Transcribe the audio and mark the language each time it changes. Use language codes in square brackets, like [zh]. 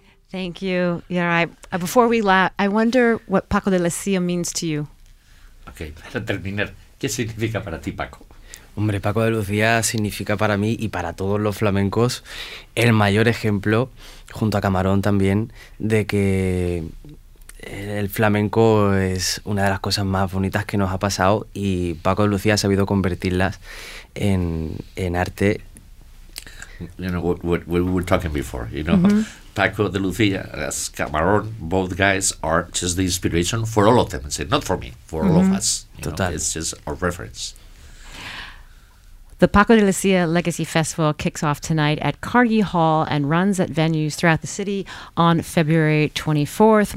[en] Thank you. Yeah, right. Before we laugh, I wonder what Paco de Lucía means to you. [es] Okay, para terminar, ¿qué significa para ti, Paco? Hombre, Paco de Lucía significa para mí y para todos los flamencos el mayor ejemplo, junto a Camarón también, de que el flamenco es una de las cosas más bonitas que nos ha pasado y Paco de Lucía ha sabido convertirlas en arte. [en] You know what we were talking before, you know, Paco de Lucía, as Camarón, both guys are just the inspiration for all of them, not for me, for all of us. Total. Know, it's just a reference. The Paco de Lucía Legacy Festival kicks off tonight at Carnegie Hall and runs at venues throughout the city on February 24th.